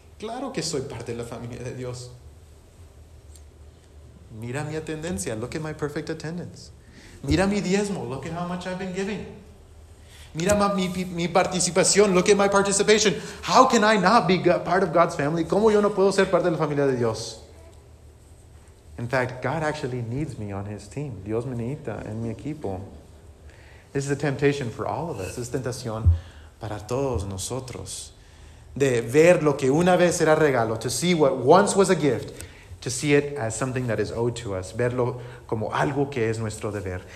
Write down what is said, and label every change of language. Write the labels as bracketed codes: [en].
[es] Claro que soy parte de la familia de Dios. Mira mi atendencia. [en] Look at my perfect attendance. [es] Mira mi diezmo. [en] Look at how much I've been giving. [es] Mira mi participación. [en] Look at my participation. How can I not be part of God's family? [es] ¿Cómo yo no puedo ser parte de la familia de Dios? [en] In fact, God actually needs me on his team. [es] Dios me necesita en mi equipo. [en] This is a temptation for all of us. [es] Es tentación para todos nosotros. De ver lo que una vez era regalo. [en] To see what once was a gift. To see it as something that is owed to us. [es] Verlo como algo que es nuestro deber.